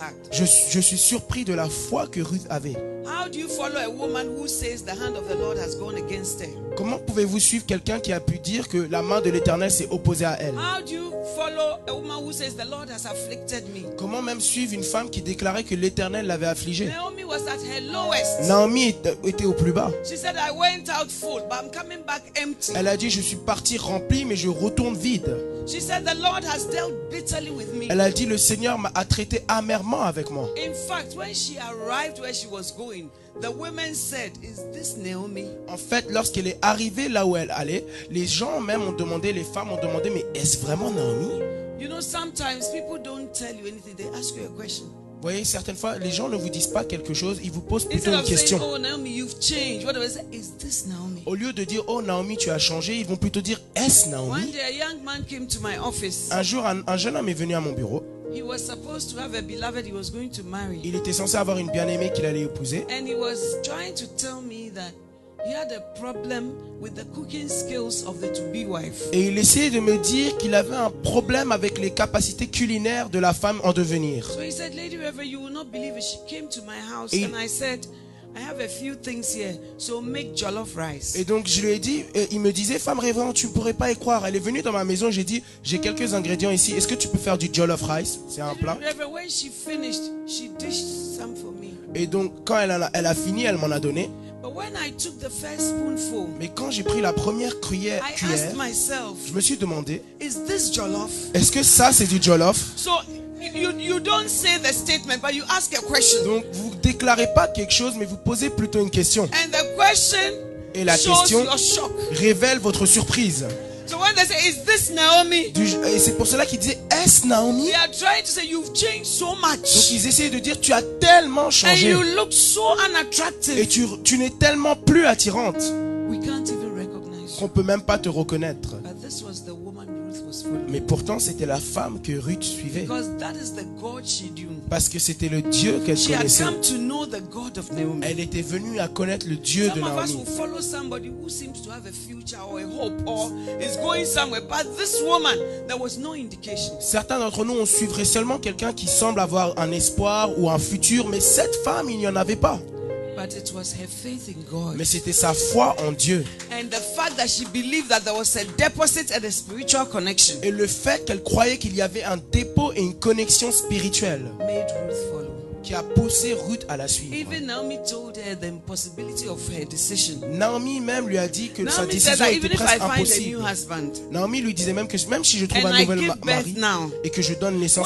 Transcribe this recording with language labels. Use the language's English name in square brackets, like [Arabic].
[French] Je suis surpris de la foi que Ruth avait. [English] How do you follow a woman who says the hand of the Lord has gone against her? [French] Comment pouvez-vous suivre quelqu'un qui a pu dire que la main de l'Éternel s'est opposée à elle? [English] How do you follow a woman who says the Lord has afflicted me? [French] Comment même suivre une femme qui déclarait que l'Éternel l'avait affligée? [English] Naomi was at her lowest. [French] Naomi était au plus bas. [English] She said, I went out full, but I'm coming back empty. [French] Elle a dit, je suis partie remplie, mais je retourne vide. [English] She said, the Lord has dealt bitterly with me. [French] Elle a dit, le Seigneur m'a traité amèrement avec moi. [English] In fact, when she arrived where she was going, the women said, is this Naomi? [French] En fait, lorsqu'elle est arrivée là où elle allait, les gens même ont demandé, les femmes ont demandé, mais est-ce vraiment Naomi? [English] You know, sometimes people don't tell you anything, they ask you a question. [French] Vous voyez, certaines fois, les gens ne vous disent pas quelque chose, ils vous posent plutôt [English] Instead [French] une question. [English] Saying, oh, Naomi, you've changed. What do I say? Is this Naomi? [French] Au lieu de dire, oh Naomi, tu as changé, ils vont plutôt dire, est-ce Naomi? [English] One day, a young man came to my office. [French] Un jour, un jeune homme est venu à mon bureau. [English] He was supposed to have a beloved he was going to marry. [French] Il était censé avoir une bien-aimée qu'il allait épouser. [English] And he was trying to tell me that he had a problem with the cooking skills of the to-be wife. [French] Et il essayait de me dire qu'il avait un problème avec les capacités culinaires de la femme en devenir. [English] So he said, Lady Reverend, you will not believe it. She came to my house and I said, I have a few things here, so make jollof rice. [French] Et donc je lui ai dit, il me disait, femme rêvante, tu ne pourrais pas y croire. Elle est venue dans ma maison, j'ai dit, j'ai quelques ingrédients ici. Est-ce que tu peux faire du jollof rice? C'est un plat. [English] When she finished, she dished some for me. [French] Et donc quand elle a fini, elle m'en a donné. [English] But when I took the first spoonful, [French] mais quand j'ai pris la première cuillère, [English] I asked myself, [French] je me suis demandé, [English] is this jollof? [French] Est-ce que ça c'est du jollof? [English] So, You don't say the statement, but you ask a question. [French] Donc vous déclarez pas quelque chose, mais vous posez plutôt une question. [English] And the question [French] et la question [English] shows your shock. [French] Révèle votre surprise. [English] So when they say, "Is this Naomi?" [French] Et c'est pour cela qu'ils disent, "Est-ce Naomi?" [English] They are trying to say, "You've changed so much." [French] Donc ils essayent de dire, "Tu as tellement changé." [English] And you look so unattractive. [French] Et tu n'es tellement plus attirante. [English] We can't even recognize. [French] Qu'on peut même pas te reconnaître. [English] But this was the woman. [French] Mais pourtant, c'était la femme que Ruth suivait. [English] Because that is the God she knew. [French] Parce que c'était le Dieu qu'elle [English] she [French] connaissait. [English] Had come to know the God of Naomi. [French] Elle était venue à connaître le Dieu [English] some [French] de Naomi. [English] Some of us will follow somebody who seems to have a future or a hope or is going somewhere. But this woman, there was no indication. [French] Certains d'entre nous, on suivrait seulement quelqu'un qui semble avoir un espoir ou un futur. Mais cette femme, il n'y en avait pas. [English] But it was her faith in God. [French] Mais c'était sa foi en Dieu. [English] And the fact that she believed that there was a deposit and a spiritual connection. [French] Et le fait qu'elle croyait qu'il y avait un dépôt et une connexion spirituelle. [English] Made Ruth follow. [French] Qui a poussé Ruth à la suivre. [English] Even Naomi told her the impossibility of her decision. [French] Naomi même lui a dit que sa décision [English] that [French] était [English] even [French] presque [English] if I find [French] impossible. [English] A new husband, [French] Naomi lui disait même que même si je trouve [English] and [French] un nouvel [English] mari now, [French] et que je donne naissance